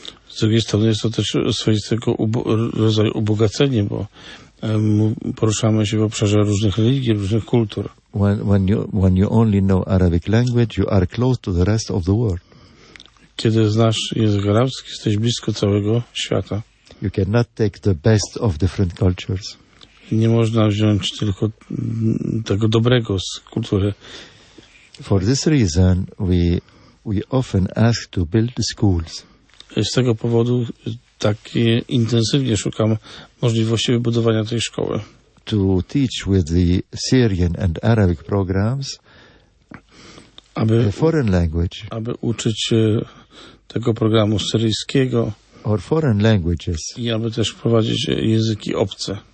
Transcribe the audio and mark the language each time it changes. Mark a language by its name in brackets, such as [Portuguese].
[Polish] Z drugiej strony jest to też swoistego rodzaju ubogacenie, bo poruszamy się w obszarze różnych religii, różnych kultur. [English] When you only know Arabic language, you are close to the rest of the world. [Polish] Kiedy znasz język arabski, jesteś blisko całego świata. [English] You cannot take the best of different cultures. [Polish] Nie można wziąć tylko tego dobrego z kultury. [English] For this reason we often ask to build schools. [Polish] Z tego powodu tak intensywnie szukam możliwości wybudowania tej szkoły. [English] To teach with the Syrian and Arabic programs, [Polish] aby [English] a foreign language. [Polish] Aby uczyć tego programu syryjskiego. [English] Or foreign languages. [Polish] I aby też wprowadzić języki obce.